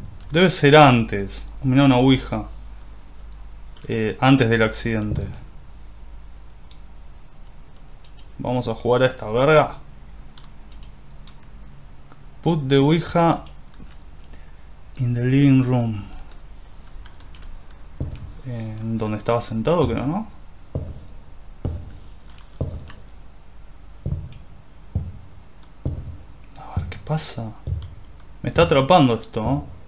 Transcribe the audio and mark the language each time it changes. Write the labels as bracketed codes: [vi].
[es] Debe ser antes. Mirá, una ouija. Antes del accidente. Vamos a jugar a esta verga. [en] Put the Ouija in the living room. [es] En donde estaba sentado, creo, ¿no? Ver qué pasa. Me está atrapando esto.